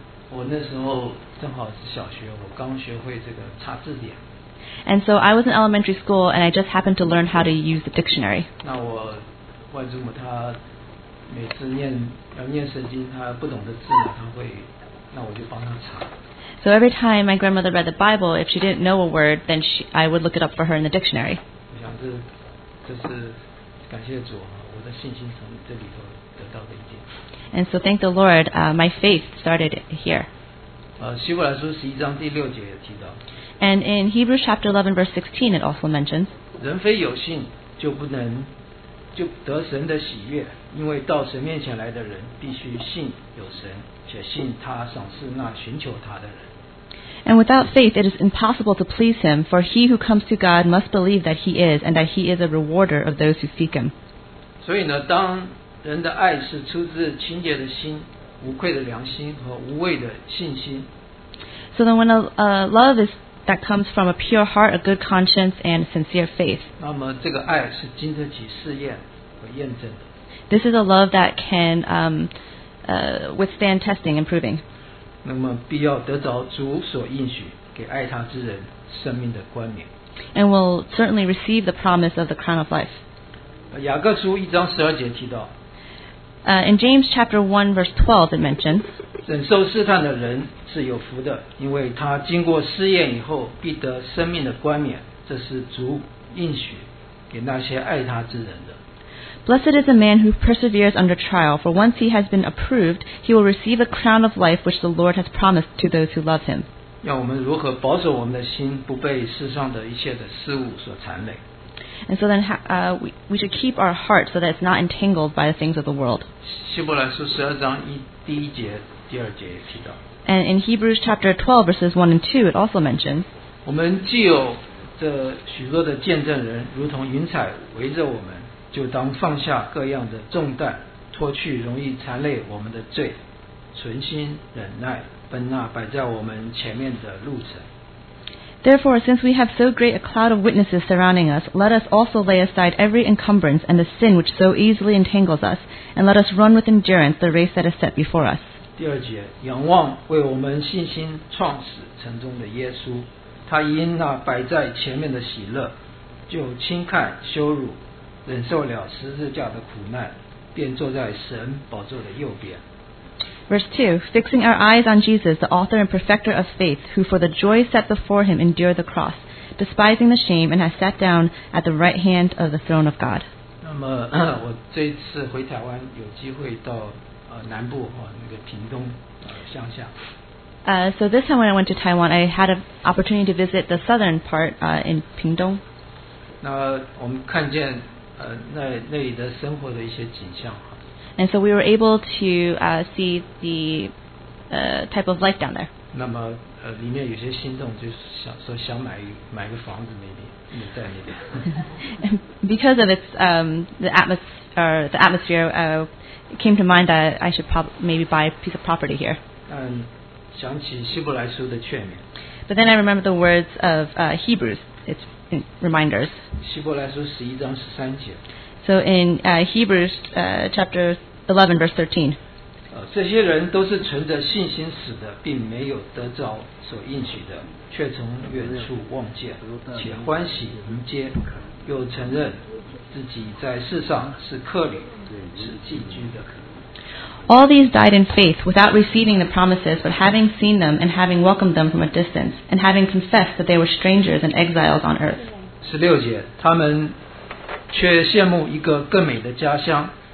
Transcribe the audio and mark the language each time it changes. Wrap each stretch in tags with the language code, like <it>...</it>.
<zh>我那时候正好是小学，我刚学会这个查字典。</zh> <en>And so I was in elementary school, and I just happened to learn how to use the dictionary.</en> <zh>那我外祖母她每次念要念圣经，她不懂的字呢，她会，那我就帮她查。</zh> <en>So every time my grandmother read the Bible, if she didn't know a word, then I would look it up for her in the dictionary.</en> <zh>我想这是感谢主啊，我的信心从这里头得到的一点。</zh> <en>And so thank the Lord, my faith started here.</en> <zh>希伯来书十一章第六节也提到。</zh> <en>And in Hebrews chapter 11 verse 16 it also mentions,</en> <zh>人非有信就不能就得神的喜悦，因为到神面前来的人必须信有神，且信他赏赐那寻求他的人。</zh> <en>And without faith it is impossible to please him, for he who comes to God must believe that he is, and that he is a rewarder of those who seek him.</en> <zh>所以呢，当人的爱是出自清洁的心、无愧的良心和无畏的信心。</zh> <en>So then, when a love is that comes from a pure heart, a good conscience, and sincere faith.</en> <zh>那么这个爱是经得起试验和验证的。</zh> <en>This is a love that can withstand testing and proving.</en> <zh>那么必要得着主所应许给爱他之人生命的冠冕。</zh> <en>And will certainly receive the promise of the crown of life.</en> <zh>雅各书一章十二节提到。</zh> <en>In James chapter 1 verse 12 it mentions,</en> <zh>忍受试探的人是有福的，因为他经过试验以后必得生命的冠冕，这是主应许给那些爱他之人的。</zh> <en>Blessed is a man who perseveres under trial, for once he has been approved, he will receive a crown of life which the Lord has promised to those who love him.</en> <zh>让我们如何保守我们的心不被世上的一切的事物所缠累。</zh> <en>And so then we should keep our heart so that it's not entangled by the things of the world.</en> <zh>希伯来书十二章一第一节第二节也提到。</zh> <en>And in Hebrews chapter 12 verses 1 and 2 it also mentions,</en> <zh>我们既有这许多的见证人如同云彩围着我们，就当放下各样的重担，脱去容易缠累我们的罪，存心忍耐奔那摆在我们前面的路程。</zh> <en>Therefore, since we have so great a cloud of witnesses surrounding us, let us also lay aside every encumbrance and the sin which so easily entangles us, and let us run with endurance the race that is set before us.</en> <zh>第二节，仰望为我们信心创始成终的耶稣，他因那摆在前面的喜乐，就轻看羞辱，忍受了十字架的苦难，便坐在神宝座的右边。</zh> <en>Verse 2, fixing our eyes on Jesus, the author and perfecter of faith, who for the joy set before him endured the cross, despising the shame, and has sat down at the right hand of the throne of God.</en> <zh>那么我这一次回台湾有机会到南部那个屏东乡下。</zh> <en>So this time when I went to Taiwan, I had an opportunity to visit the southern part in Pingdong.</en> <zh>那我们看见, 那里的生活的一些景象。</zh> <en>And so we were able to see the type of life down there.</en> <zh>那么, 里面有些心动, 就想买个房子, maybe, 在那边。</zh> <en>Because of its the atmosphere, it came to mind that I should maybe buy a piece of property here.</en> <zh>想起希伯来书的劝勉。</zh> <en>But then I remember the words of Hebrews, its reminders.</en> <zh>希伯来书11章13节。</zh> <en>So in Hebrews chapter 11:13。All these died in faith, without receiving the promises, but having seen them and having welcomed them from a distance, and having confessed that they were strangers and exiles on earth.</en> <zh>16节，他们却羡慕一个更美的家乡。</zh>